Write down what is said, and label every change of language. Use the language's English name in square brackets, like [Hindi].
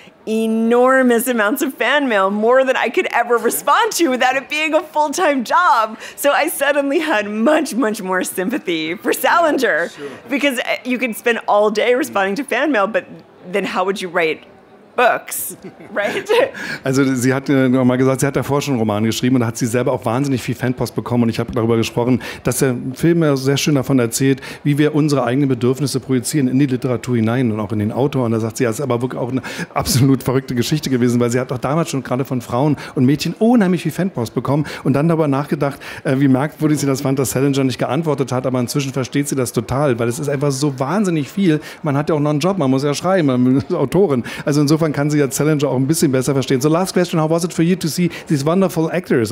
[English] enormous amounts of fan mail, more than I could ever respond to without it being a full-time job. So I suddenly had much, much more sympathy for Salinger. Sure. Because you could spend all day responding to fan mail, but then how would you write Books, right? [German] Also sie hat mal gesagt, sie hat davor schon Romane geschrieben und hat sie selber auch wahnsinnig viel Fanpost bekommen. Und ich habe darüber gesprochen, dass der Film ja sehr schön davon erzählt, wie wir unsere eigenen Bedürfnisse projizieren in die Literatur hinein und auch in den Autor. Und da sagt sie, ja, es ist aber wirklich auch eine absolut verrückte Geschichte gewesen, weil sie hat auch damals schon gerade von Frauen und Mädchen unheimlich viel Fanpost bekommen und dann darüber nachgedacht, wie merkwürdig sie das fand, dass Salinger nicht geantwortet hat. Aber inzwischen versteht sie das total, weil es ist einfach so wahnsinnig viel. Man hat ja auch noch einen Job, man muss ja schreiben, man ist Autorin. Also insofern kann sie ja Salinger auch ein bisschen besser verstehen. [English] So, last question, how was it for you to see these wonderful actors?